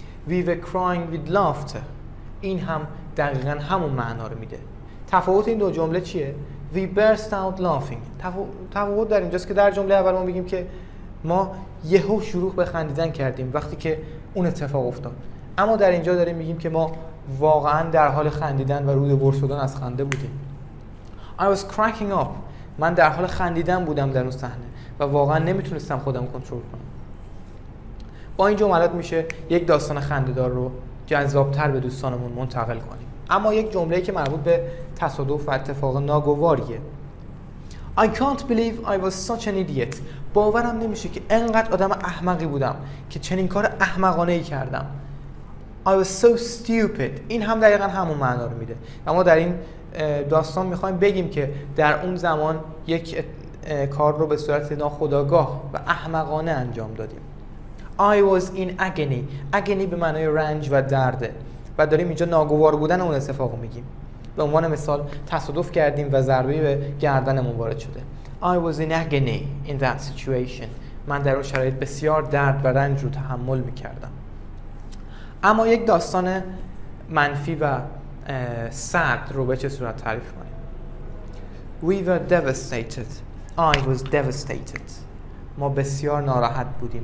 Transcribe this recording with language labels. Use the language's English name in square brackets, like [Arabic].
[English] We were crying with laughter. [Persian] این هم دقیقاً همون معنا رو میده. تفاوت این دو جمله چیه؟ [English] We burst out laughing. [Persian] تفاوت در اینجاست که در جمله اول ما میگیم که ما یهو شروع به خندیدن کردیم وقتی که اون اتفاق افتاد، اما در اینجا داریم میگیم که ما واقعا در حال خندیدن و روده بر شدن از خنده بودیم. [English] I was cracking up. [Persian] من در حال خندیدن بودم در اون صحنه و واقعا نمیتونستم خودم کنترل کنم. با این جملات میشه یک داستان خنده‌دار رو جذاب‌تر به دوستانمون منتقل کنیم. اما یک جمله‌ای که مربوط به تصادف و اتفاق ناگواریه. [English] I can't believe I was such an idiot. [Persian] باورم نمیشه که انقدر آدم احمقی بودم که چنین کار احمقانه‌ای کردم. [English] I was so stupid. [Persian] این هم دقیقا همون معنا رو میده. اما در این داستان میخوایم بگیم که در اون زمان یک کار رو به صورت ناخودآگاه و احمقانه انجام دادیم. [English] I was in agony. [Persian] agony به معنای رنج و درده. و داریم اینجا ناگوار بودن اون اتفاقو میگیم. به عنوان مثال تصادف کردیم و ضربه به گردنمون وارد شده. [English] I was in agony in that situation. [Persian] من در اون شرایط بسیار درد و رنج رو تحمل میکردم. اما یک داستان منفی و sad رو به چه صورت تعریف کنیم؟ [English] We were devastated. I was devastated. [Persian] ما بسیار ناراحت بودیم.